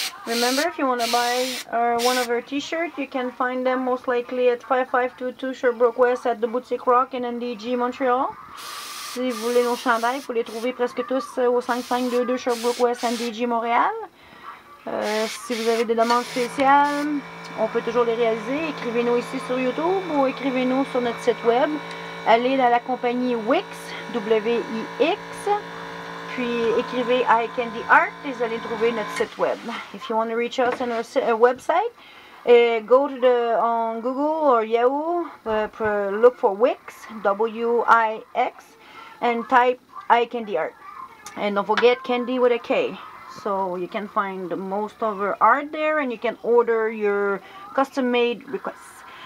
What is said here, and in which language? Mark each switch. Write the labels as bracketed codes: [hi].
[en] Remember, if you want to buy one of her t-shirts, you can find them most likely at 5522 Sherbrooke West at the Boutique Rock in NDG, Montreal. [fr] Si vous voulez nos chandails, vous pouvez les trouver presque tous au 5522 Sherbrooke West NDG, Montréal. Si vous avez des demandes spéciales, on peut toujours les réaliser. Écrivez-nous ici sur YouTube ou écrivez-nous sur notre site web. Allez dans la compagnie Wix, W-I-X. Puis écrivez I Candy Art et vous allez trouver notre site web. [en] If you want to reach us on our website, go to the on Google or Yahoo, look for Wix, W-I-X, and type I Candy Art. And don't forget Candy with a K. So you can find most of our art there and you can order your custom-made requests.